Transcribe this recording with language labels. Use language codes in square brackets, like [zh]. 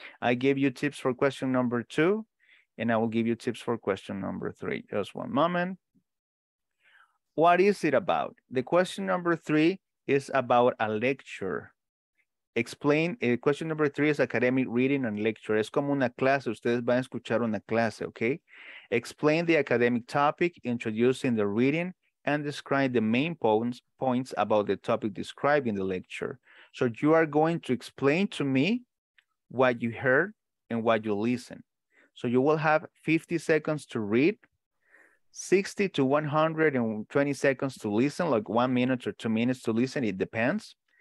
[en] I gave you tips for question number two, and I will give you tips for question number three. Just one moment. What is it about? The question number three is about a lecture. Explain, question number three is academic reading and lecture. [es] Es como una clase, ustedes van a escuchar una clase, okay? [en] Explain the academic topic, introducing the reading, and describe the main points about the topic described in the lecture. So you are going to explain to me what you heard and what you listened. So you will have 50 seconds to read, 60 to 120 seconds to listen, like 1 minute or 2 minutes to listen, it depends.